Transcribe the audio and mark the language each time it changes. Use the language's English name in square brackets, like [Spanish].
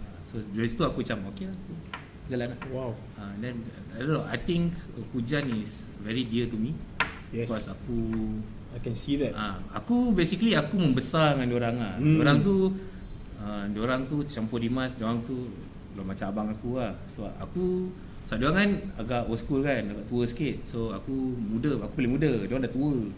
[Malay] So dari situ aku macam okay lah, jalan lah. Wow. [English] I think hujan is very dear to me. Yes. [Malay] Because aku, [English] I can see that. [Malay] Aku basically aku membesar dengan diorang lah. Diorang tu Diorang tu campur Dimas, diorang tu belum macam abang aku lah. So aku, sebab diorang kan agak old school kan, agak tua sikit. So aku muda, aku paling muda, diorang dah tua.